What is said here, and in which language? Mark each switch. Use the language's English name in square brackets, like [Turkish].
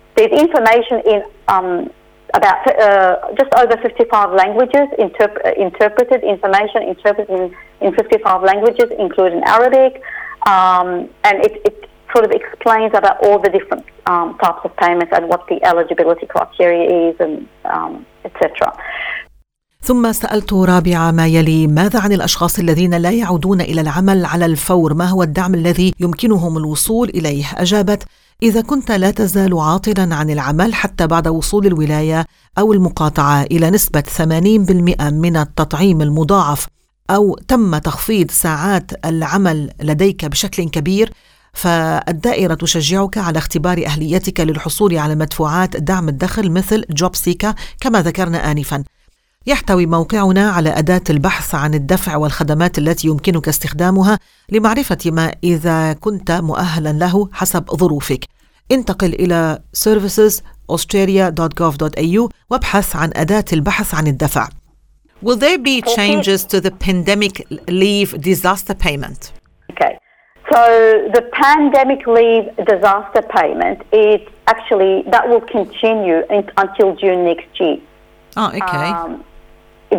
[English] There's information in about just over 55 languages, interpreted in 55 languages, including Arabic, and it sort of explains about all the different types of payments and what the eligibility criteria is, and etc. [Arabic] ثم سألت رابعة ما يلي: ماذا عن الأشخاص الذين لا يعودون إلى العمل على الفور؟ ما هو الدعم الذي يمكنهم الوصول إليه؟ أجابت: إذا كنت لا تزال عاطلاً عن العمل حتى بعد وصول الولاية أو المقاطعة إلى نسبة 80% من التطعيم المضاعف، أو تم تخفيض ساعات العمل لديك بشكل كبير، فالدائرة تشجعك على اختبار أهليتك للحصول على مدفوعات دعم الدخل مثل جوب سيكا كما ذكرنا آنفاً. يحتوي موقعنا على أداة البحث عن الدفع والخدمات التي يمكنك استخدامها لمعرفة ما إذا كنت مؤهلاً له حسب ظروفك. انتقل إلى servicesaustralia.gov.au وابحث عن أداة البحث عن الدفع. [English] Will there be changes to the pandemic leave disaster payment? Okay. So the pandemic leave disaster payment is actually, that will continue until June next year. Oh, okay.